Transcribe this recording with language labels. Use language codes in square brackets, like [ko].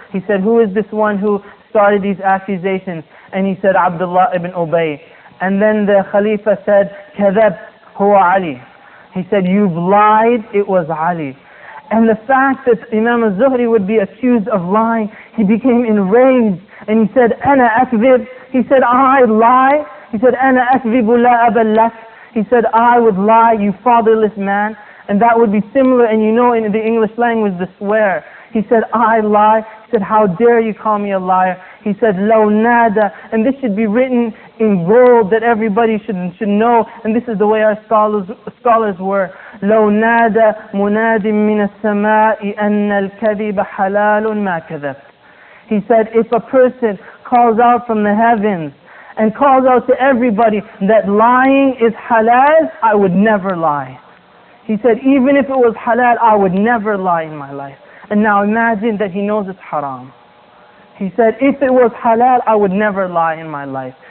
[en] He said, who is this one who started these accusations? And he said, Abdullah ibn Ubay. And then the Khalifa said, [ar] كذب هو علي. [en] He said, you've lied, it was Ali. And the fact that Imam al-Zuhri would be accused of lying, he became enraged. And he said, [ar] أنا أكذب. [en] He said, I lie. He said, [ar] أنا أكذب لا أبا لك. [en] He said, I would lie, you fatherless man. And that would be similar, and you know in the English language, the swear. He said, I lie. He said, how dare you call me a liar? He said, [ar] لو نادى. [en] And this should be written in gold that everybody should know. And this is the way our scholars were. [ar] لو نادى مناد من السماء أن الكذب حلال ما كذب. [en] He said, if a person calls out from the heavens and calls out to everybody that lying is halal, I would never lie. He said, even if it was halal, I would never lie in my life. And now imagine that he knows it's haram. He said, if it was halal, I would never lie in my life.